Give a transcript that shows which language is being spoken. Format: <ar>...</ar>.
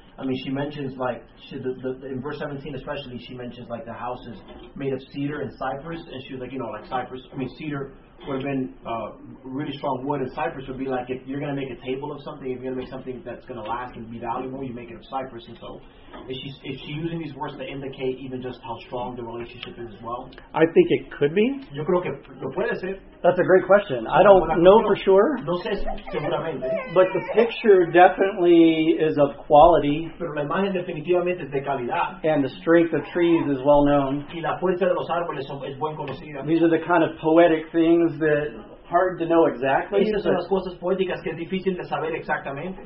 <en>I mean, she mentions, like, in verse 17 especially, she mentions, like, the house is made of cedar and cypress, and she was like, you know, like, cedar would have been really strong wood, and cypress would be like, if you're going to make a table of something, if you're going to make something that's going to last and be valuable, you make it of cypress, and so, is she using these words to indicate even just how strong the relationship is as well? I think it could be.</en> <es>Yo creo que lo puede ser.</es> <en>That's a great question. I don't know for sure.</en> <es>No sé seguramente.</es> <en>But the picture definitely is of quality.</en> <es>Pero la imagen definitivamente es de calidad.</es> <en>And the strength of trees is well known.</en> <es>Y la fuerza de los árboles es buen conocida.</es> <en>These are the kind of poetic things that hard to know exactly.</en> <es>Estas son las cosas poéticas que es difícil de saber exactamente.</es>